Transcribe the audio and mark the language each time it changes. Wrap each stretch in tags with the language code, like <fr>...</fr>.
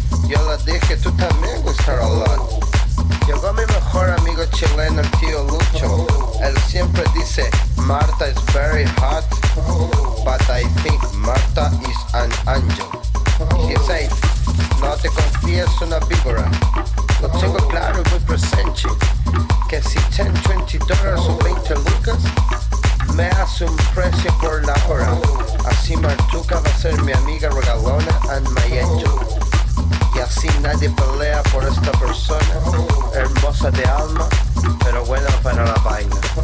<es>Yo le dije, tú también gustar</es> <en>a lot.</en> <es>Llegó mi mejor amigo chileno, el tío Lucho. Él siempre dice,</es> <en>Marta is very hot, but I think Marta is an angel. He said,</en> <es>no te confíes una víbora. Lo tengo claro, muy presente, que si 10, 20 dólares o 20 lucas, me hace un precio por la hora. Así Martuca va a ser mi amiga regalona</es> <en>and my angel.</en> <es>Y así nadie pelea por esta persona, hermosa de alma, pero buena para la vaina.</es>